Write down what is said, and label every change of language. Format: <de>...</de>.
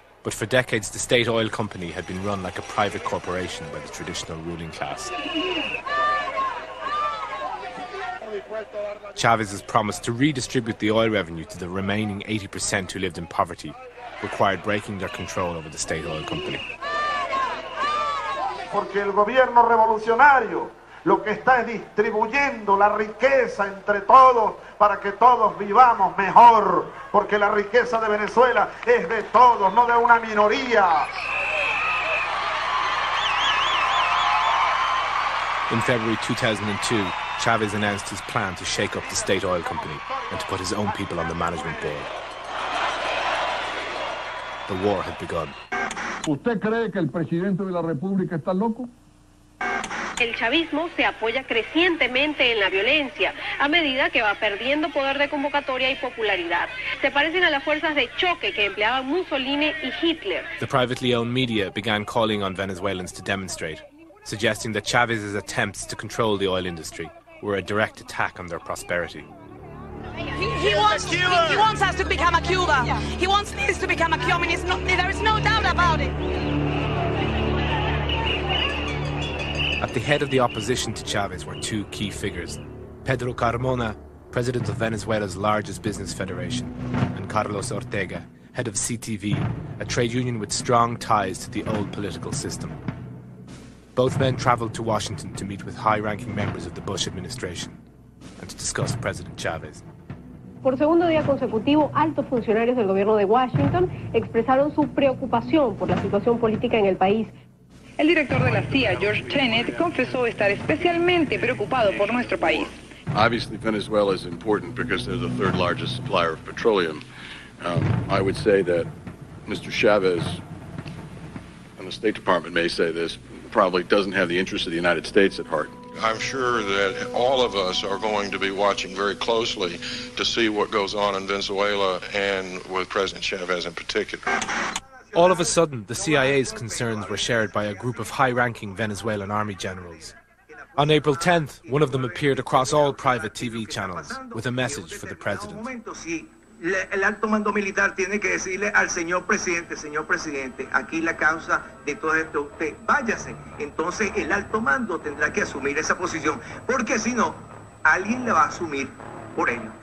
<en>But for decades, the state oil company had been run like a private corporation by the traditional ruling class. Chavez has promised to redistribute the oil revenue to the remaining 80% who lived in poverty, required breaking their control over the state oil company.</en> <es>Porque el gobierno revolucionario lo que está es distribuyendo la riqueza entre todos para que todos vivamos mejor, porque la riqueza de Venezuela es de todos, no de una minoría.</es> <en>In February 2002, Chavez announced his plan to shake up the state oil company and to put his own people on the management board. The war had begun.</en> <es>¿Usted cree que el presidente de la República está loco? El chavismo se apoya crecientemente en la violencia a medida que va perdiendo poder de convocatoria y popularidad. Se parecen a las fuerzas de choque que empleaban Mussolini y Hitler.</es> <en>The privately owned media began calling on Venezuelans to demonstrate, suggesting that Chavez's attempts to control the oil industry were a direct attack on their prosperity. He wants us to become a Cuba. He wants this to become a communist. No, there is no doubt about it. At the head of the opposition to Chavez were two key figures, Pedro Carmona, president of Venezuela's largest business federation, and Carlos Ortega, head of CTV, a trade union with strong ties to the old political system. Both men traveled to Washington to meet with high-ranking members of the Bush administration and to discuss President Chavez.</en> <es>Por segundo día consecutivo, altos funcionarios del gobierno de Washington expresaron su preocupación por la situación política en el país. El director de la CIA, George Tenet, confesó estar especialmente preocupado por nuestro país.</es> <en>Obviously, Venezuela is important because they're the third largest supplier of petroleum. I would say that Mr. Chavez, and the State Department may say this, probably doesn't have the interests of the United States at heart. I'm sure that all of us are going to be watching very closely to see what goes on in Venezuela and with President Chavez in particular. All of a sudden, the CIA's concerns were shared by a group of high-ranking Venezuelan army generals. On April 10th, one of them appeared across all private TV channels with a message for the president.</en> <es>El alto mando militar tiene que decirle al señor presidente, aquí la causa de todo esto, usted váyase. Entonces el alto mando tendrá que asumir esa posición, porque si no, alguien la va a asumir por él.</es>